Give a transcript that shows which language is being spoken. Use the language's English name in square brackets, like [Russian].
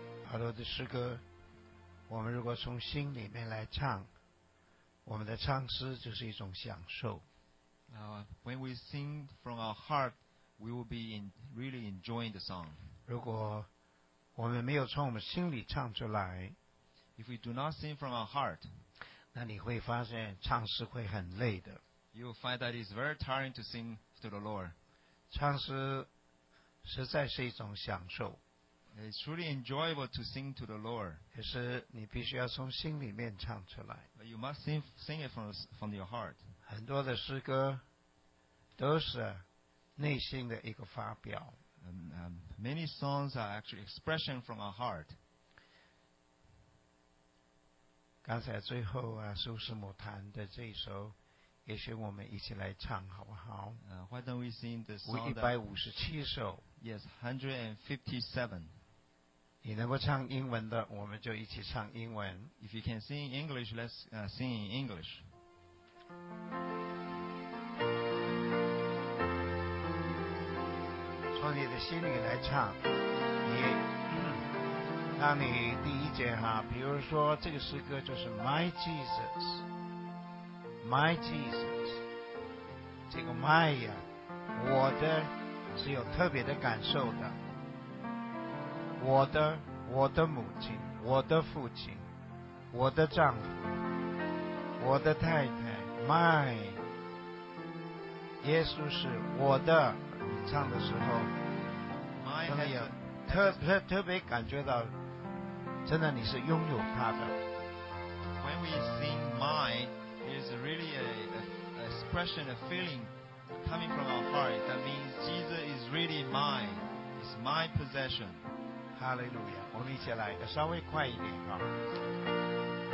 [Chinese] 保罗的诗歌，我们如果从心里面来唱，我们的唱诗就是一种享受。 [English] When we sing from our heart, we will be really enjoying the song. [Chinese] 如果我们没有从我们心里唱出来 [English] ，If we do not sing from our heart, [Chinese] 那你会发现唱诗会很累的。 [English] You will find that it's very tiring to sing to the Lord. [Chinese] 唱诗实在是一种享受。 [English] It's really enjoyable to sing to the Lord. [Chinese] 可是你必须要从心里面唱出来。 [English] But you must sing it from your heart. [Chinese] 很多的诗歌都是内心的一个发表。 [English] Many songs are actually expression from our heart. [Chinese] 刚才最后啊，苏师母弹的这一首，也许我们一起来唱好不好？ [English] Why don't we sing the song? [Chinese] 157首。 [English] Yes, 157. [Chinese] 你能够唱英文的，我们就一起唱英文。 [English] If you can sing English, let's sing in English. [Chinese] 从你的心里来唱，让你第一节哈，比如说这个诗歌就是 [English] My Jesus, My Jesus, [Chinese] 这个 My 呀，我的是有特别的感受的，我的母亲，我的父亲，我的丈夫，我的太太 My, 耶稣是我的，你唱的时候真的有特别感觉到真的你是拥有他的。 [English] When we sing my, it's really an expression, a feeling coming from our heart. That means Jesus is really mine. It's my possession. Hallelujah. [Chinese] 我们一起来稍微快一点啊。